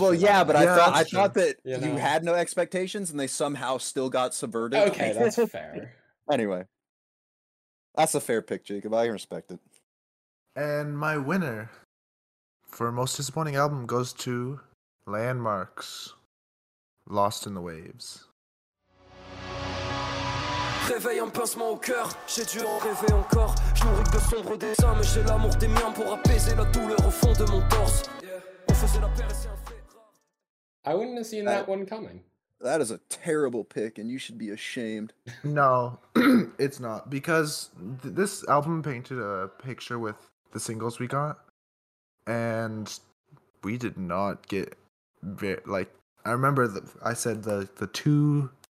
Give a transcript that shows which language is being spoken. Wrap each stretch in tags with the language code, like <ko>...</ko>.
<en>Well, yeah, but I thought that you had no expectations and they somehow still got subverted. Okay, that's fair. Anyway, that's a fair pick, Jacob. I respect it. And my winner for most disappointing album goes to Landmarks, Lost in the Waves.</en> <fr>Réveille un pincement au cœur, j'ai dû en rêver encore. Je nourris de sombres dessins, mais j'ai l'amour des miens pour apaiser la douleur au fond de mon torse.</fr> <en>Yeah.</en> <fr>On faisait la paire et c'est un fait rare.</fr> <en>I wouldn't have seen that one coming. That is a terrible pick, and you should be ashamed. No, it's not, because this album painted a picture with the singles we got, and we did not get I remember I said the two.</en>